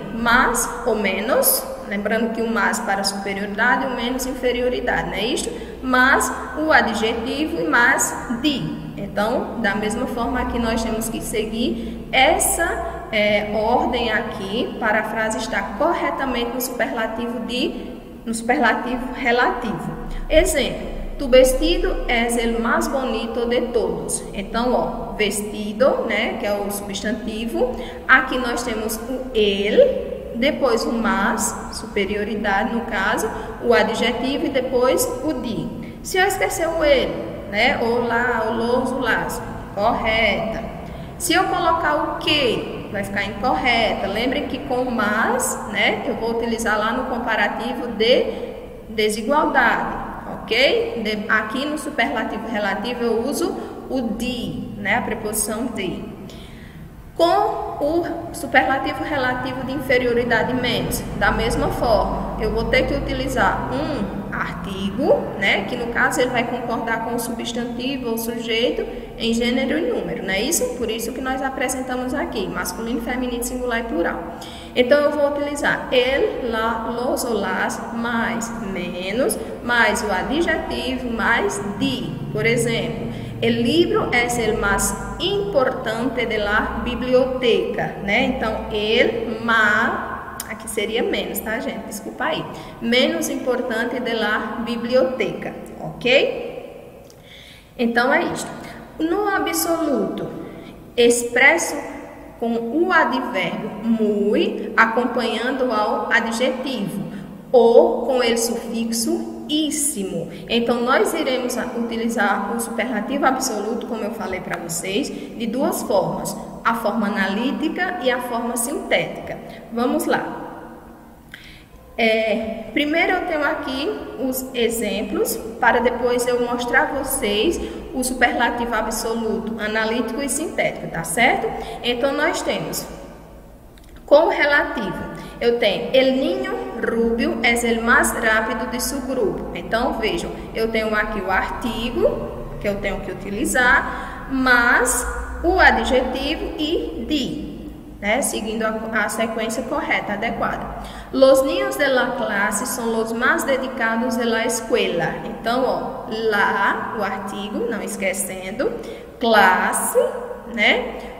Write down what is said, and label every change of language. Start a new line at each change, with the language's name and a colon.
Portuguese: Mais ou menos? Lembrando que o mais para superioridade e o menos inferioridade, não é isto? Mais o adjetivo e mais de. Então, da mesma forma que nós temos que seguir essa ordem aqui para a frase estar corretamente no superlativo no superlativo relativo.
Spanish: Exemplo: tu vestido es el más bonito de todos.
Portuguese: Então, ó, vestido, né, que é o substantivo. Aqui nós temos o el, depois o mas, superioridade no caso, o adjetivo e depois o de. Se eu esquecer o ele, né, ou lá, ou los, ou las, correta. Se eu colocar o que, vai ficar incorreta. Lembre que com mas, né, eu vou utilizar lá no comparativo de desigualdade, ok? Aqui no superlativo relativo eu uso o de, né, a preposição de. Com o superlativo relativo de inferioridade menos, da mesma forma, eu vou ter que utilizar um artigo, né, que no caso ele vai concordar com o substantivo ou sujeito em gênero e número, não é isso? Por isso que nós apresentamos aqui, masculino, feminino, singular e plural. Então eu vou utilizar ele, lá, los ou las, mais, menos, mais o adjetivo, mais de. Por exemplo,
Spanish: el libro es el más importante de la biblioteca, né?
Portuguese: Então,
Spanish: el más,
Portuguese: aqui seria menos, tá, gente? Desculpa aí.
Spanish: Menos importante de la biblioteca, ok?
Portuguese: Então, é isto. No absoluto, expresso com o advérbio muy, acompanhando ao adjetivo, ou com o sufixo íssimo. Então, nós iremos utilizar o superlativo absoluto, como eu falei para vocês, de duas formas: a forma analítica e a forma sintética. Vamos lá. Primeiro, eu tenho aqui os exemplos para depois eu mostrar a vocês o superlativo absoluto, analítico e sintético, tá certo? Então, nós temos com o relativo. Eu tenho
Spanish: el niño rubio es el más rápido de su grupo.
Portuguese: Então, vejam, eu tenho aqui o artigo que eu tenho que utilizar, mas o adjetivo e de, né? Seguindo a sequência correta, adequada.
Spanish: Los niños de la clase son los más dedicados de la escuela.
Portuguese: Então, ó, la, o artigo, não esquecendo, classe, né?